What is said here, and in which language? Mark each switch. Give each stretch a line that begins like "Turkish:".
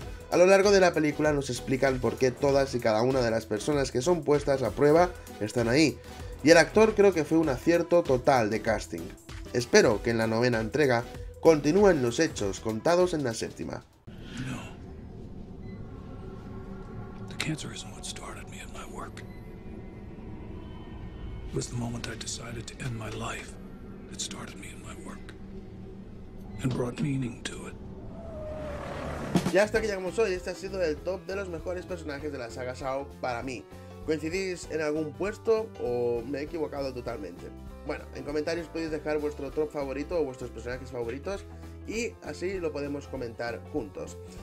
Spanish: A lo largo de la película nos explican por qué todas y cada una de las personas que son puestas a prueba están ahí, y el actor creo que fue un acierto total de casting. Espero que en la novena entrega continúen los hechos contados en la séptima.
English: Cancer isn't what started me in my work. It was the moment I decided to end my life that started me in my work and brought meaning to it.
Spanish: Ya hasta aquí llegamos hoy. Este ha sido el top de los mejores personajes de la saga Saw para mí. ¿Coincidís en algún puesto o me he equivocado totalmente? Bueno, en comentarios podéis dejar vuestro top favorito o vuestros personajes favoritos y así lo podemos comentar juntos.